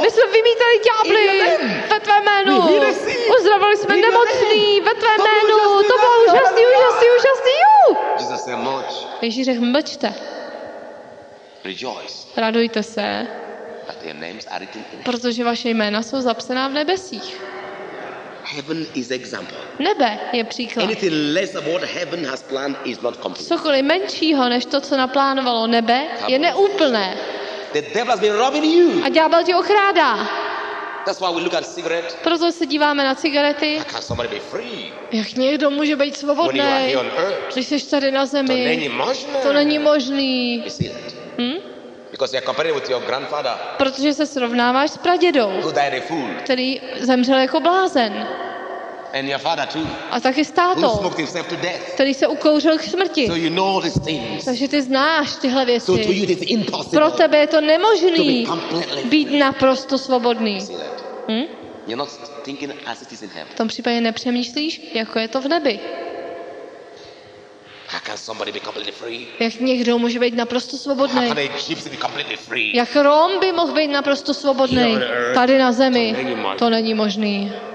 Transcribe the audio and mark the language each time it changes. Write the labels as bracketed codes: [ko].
[cs] My jsme vymítali ďábly ve tvé jménu. Uzdravili jsme nemocný ve tvé jménu. To bylo úžasný, úžasný, úžasný. [en] Jesus said, mlč. [cs] Ježíš řekl, mlčte. [en] Rejoice. [cs] Radujte se. [en] But their names are written in heaven. [cs] Protože vaše jména jsou zapsaná v nebesích. [en] Heaven is example. [cs] Nebe je příklad. [en] Anything less of what heaven has planned is not complete. [cs] Cokoliv menšího než to, co naplánovalo nebe, je neúplné. [en] The devil has been robbing you. [cs] A ďábel tě okrádá. [en] That's why we look at cigarettes. [cs] Proto se díváme na cigarety. [en] How can somebody be free? [cs] Jak někdo může být svobodný? Když jsi tady na zemi. To není možné. To není možný. [en] Because you're comparing with your grandfather. [cs] Protože se srovnáváš s pradědou. [en] Who died a fool. [cs] Který zemřel jako blázen. [en] And your father too. [cs] A taky s tátou. [en] Who smoked himself to death. [cs] Který se ukouřil k smrti. [en] So you know these things. [cs] Takže ty znáš tyhle věci. [en] So to you it is impossible. [cs] Pro tebe je to nemožný. [en] To be completely free. [cs] Být naprosto svobodný. [en] You're not thinking as it is in heaven. [cs] V tom případě nepřemýšlíš, jako je to v nebi. [en] How can somebody be completely free? [cs] Jak někdo může být naprosto svobodný? [en] How can a gypsy be completely free? [cs] Jak Róm by mohl být naprosto svobodný? Tady na zemi. To není možný.